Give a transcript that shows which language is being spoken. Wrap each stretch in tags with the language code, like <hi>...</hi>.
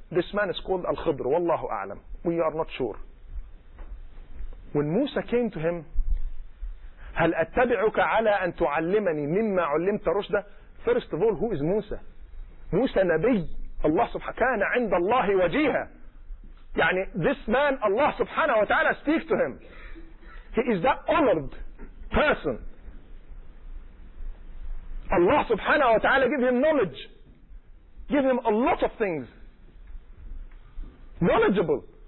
<en>This man is called Al-Khidr.</en> <ar>والله أعلم.</ar> <en>We are not sure. When Musa came to him,</en> <ar>هل أتبعك على أن تعلمني مما علمت رشدا؟</ar> <en>First of all, who is Musa? Musa</en> <ar>نبي. Allah سبحانه كان عند الله وجيها. يعني</ar> <en>this man, Allah سبحانه وتعالى speak to him. He is that honored person. Allah subhanahu wa ta'ala give him knowledge. Give him a lot of things. Knowledgeable.</en>